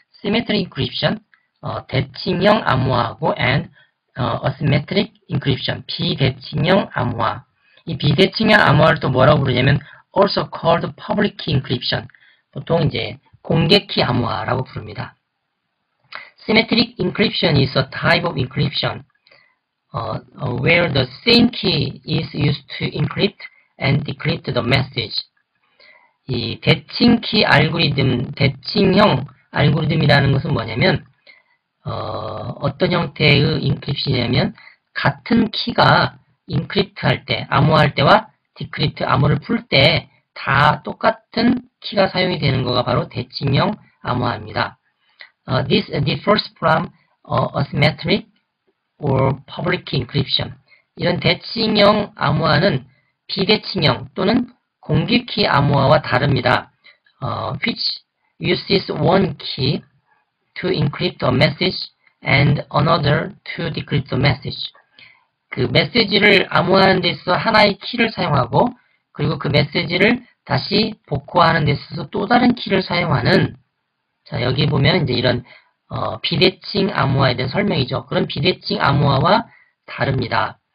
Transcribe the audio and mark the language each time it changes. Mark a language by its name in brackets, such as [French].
[English] symmetric encryption, [Korean] 대칭형 암호화하고 [English] and asymmetric encryption, [Korean] 비대칭형 암호화. 이 비대칭형 암호화를 또 뭐라고 부르냐면 [English] also called public key encryption. [Korean] 보통 이제 공개키 암호화라고 부릅니다. [English] Symmetric encryption is a type of encryption where the same key is used to encrypt and decrypt the message. [Korean] 이 대칭형 알고리즘이라는 것은 뭐냐면 어떤 형태의 인크립션이냐면 같은 키가 인크립트할 때, 암호화할 때와 디크립트 암호를 풀때다 똑같은 키가 사용이 되는 거가 바로 대칭형 암호화입니다. [English] This differs from asymmetric or public key encryption. [Korean] 이런 대칭형 암호화는 비대칭형 또는 공개키 암호화와 다릅니다. [English] Which uses one key to encrypt a message and another to decrypt the message. [Korean] 그 메시지를 암호화하는 데 있어서 하나의 키를 사용하고, 그리고 그 메시지를 다시 복구하는 데 있어서 또 다른 키를 사용하는, 자, 여기 보면 이제 이런, 비대칭 암호화에 대한 설명이죠. 그런 비대칭 암호화와 다릅니다.